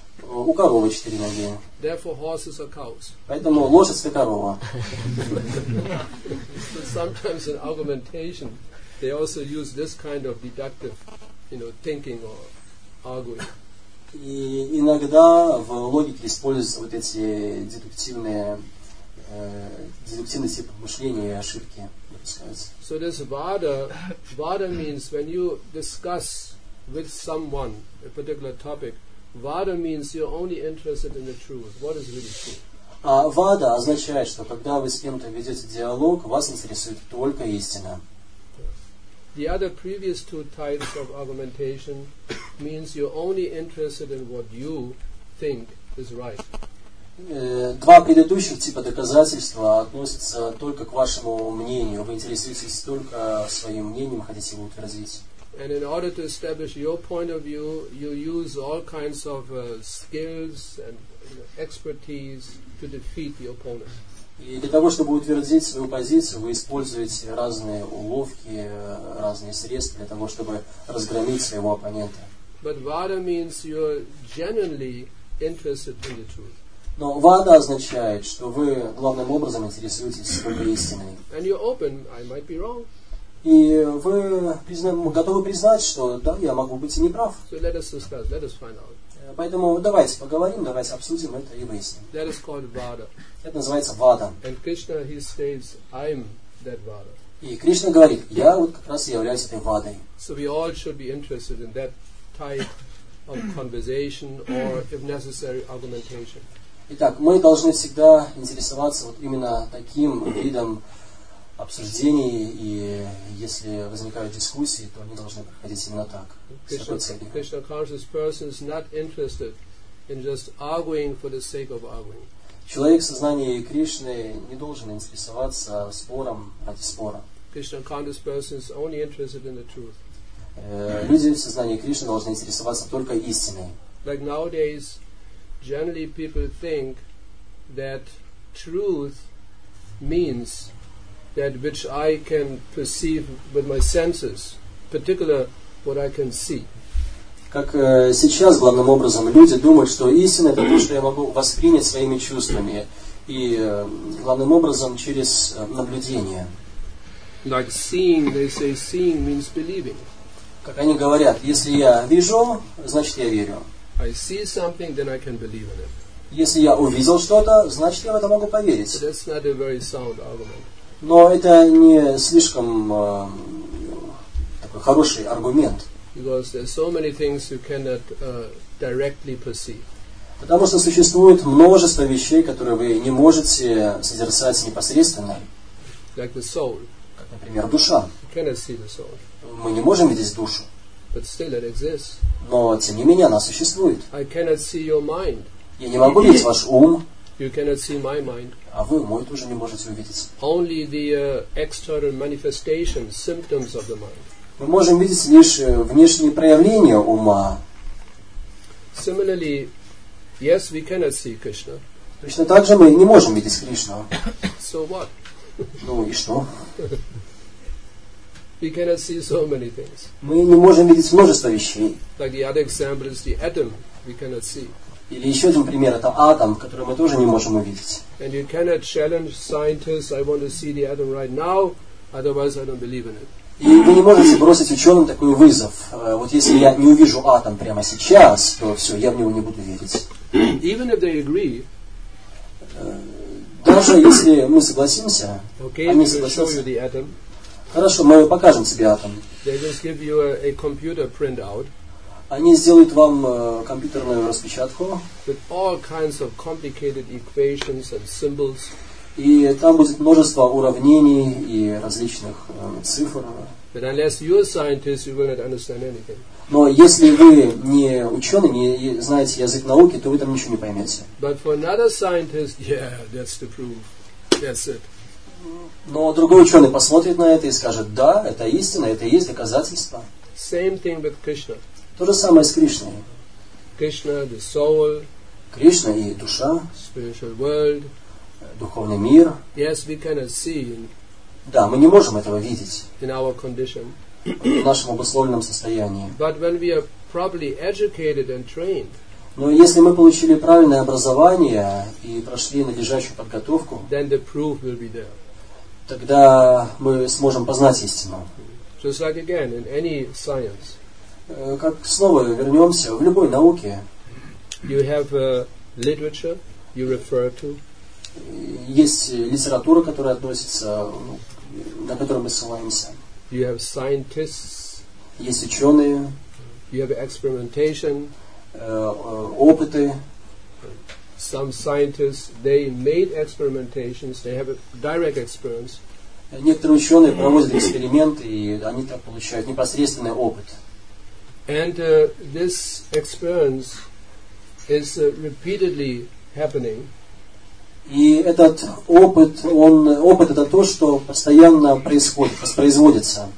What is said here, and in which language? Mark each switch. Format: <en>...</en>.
<ru>У коровы четыре ноги.</ru> <en>Therefore, horses are cows.</en> <ru>Поэтому лошадь это корова.</ru> <en>Sometimes in argumentation, they also use this kind of deductive, thinking or ugly.</en> <ru>И иногда в логике используются вот эти дедуктивные типы мышления и ошибки.</ru> <en>So there's vada means when you discuss with someone a particular topic, vada means you're only interested in the truth. What is really true?</en> <ru>Вада означает, что когда вы с кем-то ведете диалог, вас интересует только истина.</ru> <en>The other previous two types of argumentation means you're only interested in what you think is right.</en> <ru>Два предыдущих типа доказательства относятся только к вашему мнению. Вы интересуетесь только своим мнением, хотите его утвердить.</ru> <en>And in order to establish your point of view, you use all kinds of skills and expertise to defeat the opponent.</en> <ru>И для того, чтобы утвердить свою позицию, вы используете разные уловки, разные средства для того, чтобы разгромить своего оппонента.</ru> <en>But vada means you're genuinely interested in the truth.</en> <ru>Но вада означает, что вы главным образом интересуетесь только истиной.</ru> <en>And you're open, I might be wrong.</en> <ru>И вы готовы признать, что да, я могу быть неправ.</ru> <en>So let us discuss, let us find out.</en> <ru>Поэтому давайте поговорим, давайте обсудим это и выясним.</ru> <en>That is called vada.</en> <ru>Это называется вада.</ru> <en>And Krishna, he says, I'm that vada.</en> <ru>И Кришна говорит, я вот как раз и являюсь этой вадой.</ru> <en>So we all should be interested in that type of conversation or, if necessary, argumentation.</en> <ru>Итак, мы должны всегда интересоваться вот именно таким видом обсуждений, и если возникают дискуссии, то они должны проходить именно так.</ru> <en>Krishna conscious person is not interested in just arguing for the sake of arguing.</en> <ru>Человек в сознании Кришны не должен интересоваться спором ради спора.</ru> <en>Krishna conscious person is only interested in the truth.</en> <ru>Люди в сознании Кришны должны интересоваться только истиной.</ru> <en>Like nowadays, generally people think that truth means that which I can perceive with my senses, particular what I can see.</en> <ru>Как сейчас главным образом люди думают, что истина это то, что я могу воспринять своими чувствами, и главным образом через наблюдение.</ru> <en>Like seeing, they say seeing means believing.</en> <ru>Как они говорят, если я вижу, значит я верю.</ru> <en>I see something, then I can believe in it.</en> <ru>Если я увидел что-то, значит я в это могу поверить.</ru> <en>But that's not a very sound argument.</en> <ru>Но это не слишком такой хороший аргумент.</ru> <en>Because there's so many things you cannot directly perceive.</en> <ru>Потому что существует множество вещей, которые вы не можете созерцать непосредственно.</ru> <en>Like the soul.</en> <ru>Как, например, душа.</ru> <en>You cannot see the soul.</en> <ru>Мы не можем видеть душу.</ru> <en>But still it exists.</en> <ru>Но, тем не менее, она существует.</ru> <en>I cannot see your mind.</en> <ru>Я не могу видеть ваш ум.</ru> <en>You cannot see my mind.</en> <ru>А вы мой тоже не можете увидеть.</ru> <en>Only the external manifestation, symptoms of the mind.</en> <ru>Мы можем видеть лишь внешние проявления ума.</ru> <en>Similarly, yes, we cannot see Krishna.</en> <ru>Точно так же мы не можем видеть Кришну.</ru> <en>So what?</en> <ru>Ну и что?</ru> <en>We cannot see so many things.</en> <ru>Мы не можем видеть множество вещей.</ru> <en>Like the other example is the atom, we cannot see.</en> <ru>Или еще один пример – это атом, который мы тоже не можем увидеть.</ru> <en>And you cannot challenge scientists. I want to see the atom right now, otherwise I don't believe in it.</en> <ru>И вы не можете бросить ученым такой вызов. Вот если я не увижу атом прямо сейчас, то все, я в него не буду верить.</ru> <en>Even if they agree.</en> <ru>Даже если мы согласимся,</ru> <en>okay,</en> <ru>они согласятся.</ru> <en>Show you the atom.</en> <ru>Хорошо, мы покажем тебе атом.</ru> <en>They just give you a computer printout.</en> <ru>Они сделают вам компьютерную распечатку.</ru> <en>With all kinds of complicated equations and symbols.</en> <ru>И там будет множество уравнений и различных цифр.</ru> <en>But unless you're a scientist, you will not understand anything.</en> <ru>Но если вы не ученый, не знаете язык науки, то вы там ничего не поймете.</ru> <en>But for another scientist, yeah, that's the proof. That's it.</en> <ru>Но другой ученый посмотрит на это и скажет, да, это истина, это и есть доказательство.</ru> <en>Same thing with Krishna.</en> <ru>То же самое с Кришной.</ru> <en>Krishna, the soul.</en> <ru>Кришна и душа.</ru> <en>Spiritual world.</en> <ru>Духовный мир.</ru> <en>Yes, we cannot see.</en> <ru>Да, мы не можем этого видеть.</ru> <en>In our condition.</en> <ru>В нашем обусловленном состоянии.</ru> <en>But when we are properly educated and trained.</en> <ru>Но если мы получили правильное образование и прошли надлежащую подготовку,</ru> <en>then the proof will be there.</en> <ru>Тогда мы сможем познать истину.</ru> <en>Just like again, in any science.</en> <ru>как снова вернемся в любой науке.</ru> <en>You have literature you refer to.</en> <ru>Есть литература, которая относится, ну, на которую мы ссылаемся.</ru> <en>You have scientists.</en> <ru>Есть ученые.</ru> <en>You have experimentation.</en> <ru>Опыты.</ru> <en>Some scientists, they made experimentations, they have a direct experience.</en> <ru>Некоторые ученые проводят эксперименты, и они так получают непосредственный опыт.</ru> <en>And this experience is repeatedly happening.</en> <ru>И этот опыт, он, опыт это то, что постоянно происходит, воспроизводится.</ru>